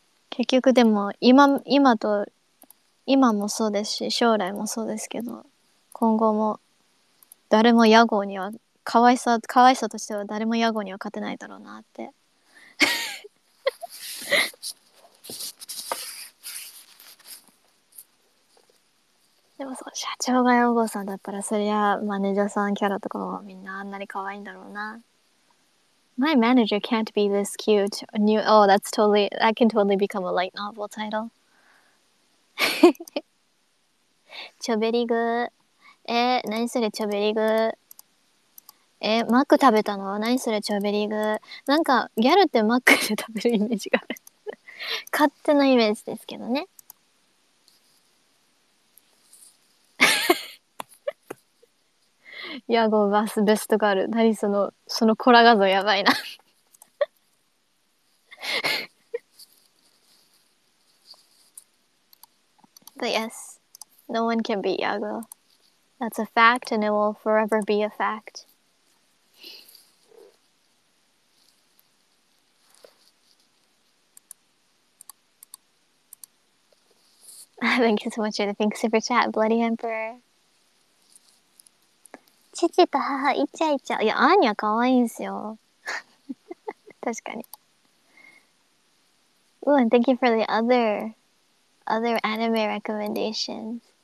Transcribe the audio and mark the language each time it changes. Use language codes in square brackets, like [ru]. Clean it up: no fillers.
[ja] 結局でも今もそうですし、将来もそうですけど、今後も誰もYagoには、可愛さとしては誰もヤゴには勝てないだろうなって。でもそう、社長がヤゴさんだったらそりゃマネージャーさんキャラとかもみんなあんなに可愛いんだろうな。 [en] My manager can't be this cute. New, oh, that's totally, that can totally become a light novel title. [ja] チョベリグ、何それ、チョベリグ、マック食べたの？何それ、チョベリグ。なんかギャルってマックで食べるイメージがある。勝手なイメージですけどね。ヤゴバスベストガール、何その、そのコラ画像やばいな。 [en] But yes, no one can beat Yago. That's a fact and it will forever be a fact. Thank you so much for the pink super chat, Bloody Emperor. [ja] 父と母イチャイチャ。いや、アーニャ可愛いんすよ。確かに。 [en] Ooh, and thank you for the other anime recommendations.